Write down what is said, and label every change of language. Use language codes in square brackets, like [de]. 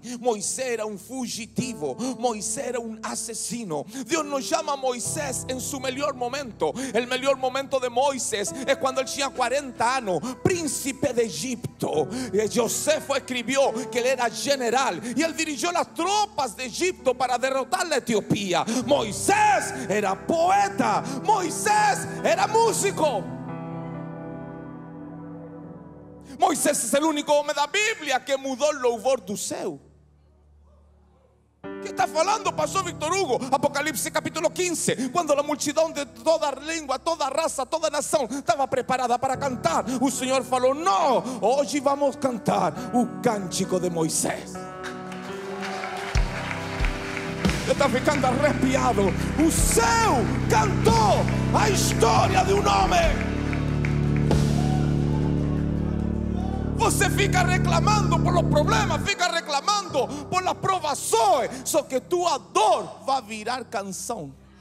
[es] Moisés era un fugitivo, Moisés era un asesino. Dios nos llama a Moisés en su mejor momento. El mejor momento de Moisés es cuando él tenía 40 años, príncipe de Egipto. Josefo escribió que él era general y él dirigió las tropas de Egipto para derrotar la Etiopía. Moisés era poeta, Moisés era músico. Moisés es el único hombre de la Biblia que mudó el louvor del cielo. ¿Qué está hablando, pastor Víctor Hugo? Apocalipsis capítulo 15. Cuando la multitud de toda lengua, toda raza, toda nación estaba preparada para cantar, el Señor falou: no, hoy vamos a cantar el cántico de Moisés. [pt] Está ficando arrepiado. O céu cantou a história de um homem. Você fica reclamando por os problemas, fica reclamando por as provações, só que tua dor vai virar canção.